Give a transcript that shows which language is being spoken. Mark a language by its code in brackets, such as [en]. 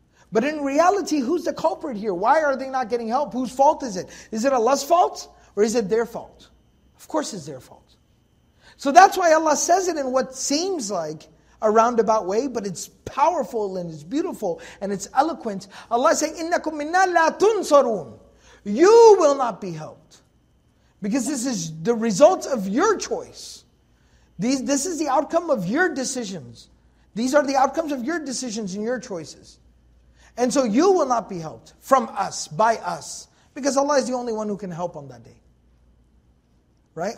[en] But in reality, who's the culprit here? Why are they not getting help? Whose fault is it? Is it Allah's fault? Or is it their fault? Of course it's their fault. So that's why Allah says it in what seems like a roundabout way, but it's powerful and it's beautiful and it's eloquent. Allah is saying, [ar] إِنَّكُمْ مِنَّا لَا تُنْصَرُونَ. [en] You will not be helped. Because this is the result of your choice. This is the outcome of your decisions. These are the outcomes of your decisions and your choices. And so you will not be helped from us, by us. Because Allah is the only one who can help on that day. Right?